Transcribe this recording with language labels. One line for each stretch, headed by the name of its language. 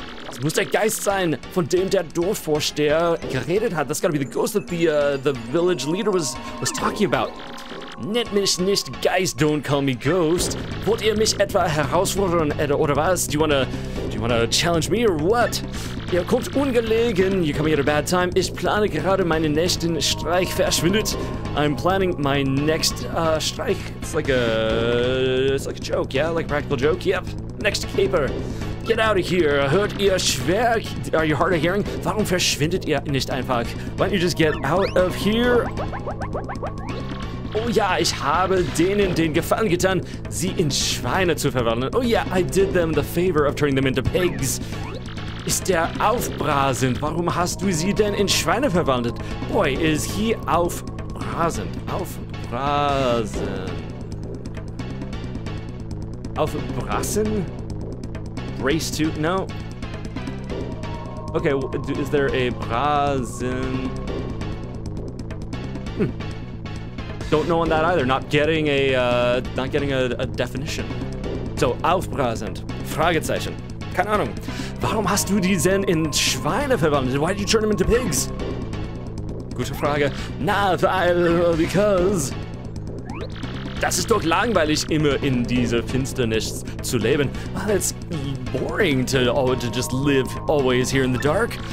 German: Es muss der Geist sein, von dem der Dorfvorsteher geredet hat.
English: That's gotta be the ghost that the village leader was talking about.
German: Nennt mich nicht Geist,
English: don't call me ghost.
German: Wollt ihr mich etwa herausfordern, oder was?
English: Do you wanna challenge me, or what?
German: Ihr kommt ungelegen,
English: you're coming at a bad time.
German: Ich plane gerade meinen nächsten Streich. Verschwindet.
English: I'm planning my next strike. It's like a joke, yeah? Like a practical joke, yep. Next caper. Get out of here.
German: Hört ihr schwer?
English: Are you hard of hearing?
German: Warum verschwindet ihr nicht einfach?
English: Why don't you just get out of here?
German: Oh ja, ich habe denen den Gefallen getan, sie in Schweine zu verwandeln.
English: Oh yeah, I did them the favor of turning them into pigs.
German: Ist der aufbrausend? Warum hast du sie denn in Schweine verwandelt?
English: Boy, is he aufbrausend. Aufbrausend. Aufbrausen? Brace to? No. Okay, is there a brausen? Don't know on that either. Not getting a definition.
German: So, aufbrausend. Fragezeichen. Keine Ahnung. Warum hast du die denn in Schweine verwandelt?
English: Why did you turn them into pigs?
German: Gute Frage. Because. Das ist doch langweilig, immer in dieser Finsternis zu leben.
English: Well, it's boring to just live always here in the dark.